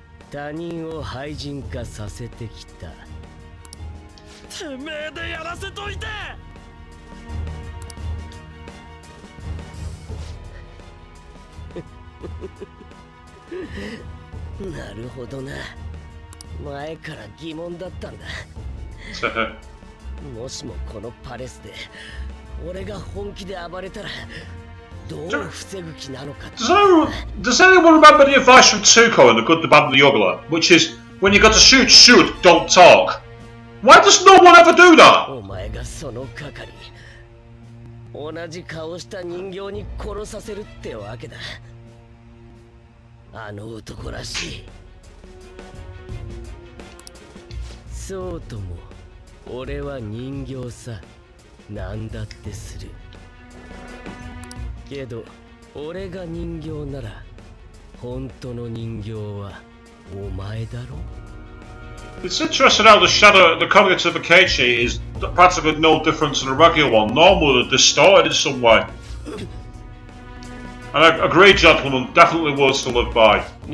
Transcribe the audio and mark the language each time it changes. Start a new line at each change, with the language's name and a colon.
Japanese: 他人を廃人化させてきた。てめえでやらせといて。なるほどな。前から疑問だったんだ。もしもこのパレスで俺が本気で暴れたら、
English: Does anyone remember the advice from Tuco in The Good, the Bad and the Ugly? Which is, when you got to shoot, shoot, don't talk. Why does no one ever do that?
Japanese: お前がその係り同じ顔した人形に殺させるってわけだ。あの男らしい。そうとも俺は人形さ。何だってする。けど俺が人形なら本当の人形はお前だろ。
English: It's interesting how the shadow at the cognitive of Akechi is practically no different to the regular one. Normally they're distorted in some way. And a great gentleman, definitely worth to live by.